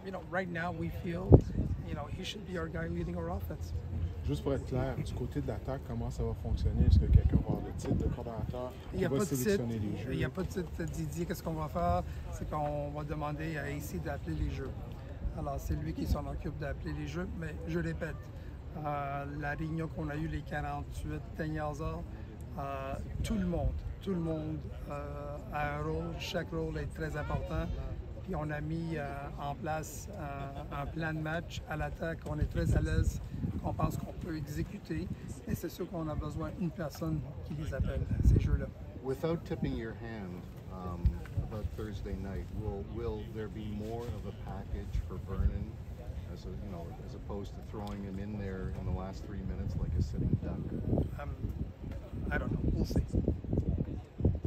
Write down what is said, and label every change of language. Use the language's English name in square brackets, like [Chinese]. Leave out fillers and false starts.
[English] Right now we feel, he should be our guy leading our offense. [French] Juste pour être clair, du côté de l'attaque, comment ça va fonctionner? Est-ce que quelqu'un va avoir le titre de coordinateur? Il n'y a pas de titre. Il n'y a pas de titre. Didier, qu'est-ce qu'on va faire? C'est qu'on va demander à AC d'appeler les jeux. Alors, c'est lui qui s'en occupe d'appeler les jeux. Mais je répète, la réunion qu'on a eue les 48 dernières heures, tout le monde a un rôle. Chaque rôle est très important. Puis on a mis en place un plan de match à l'attaque. On est très à l'aise. On pense qu'on peut exécuter. Et c'est sûr qu'on a besoin d'une personne qui les appelle, ces jeux-là. [English] Without tipping your hand about Thursday night, will there be more of a package for Vernon as opposed to throwing him in there in the last 3 minutes like a sitting duck? I don't know. We'll see.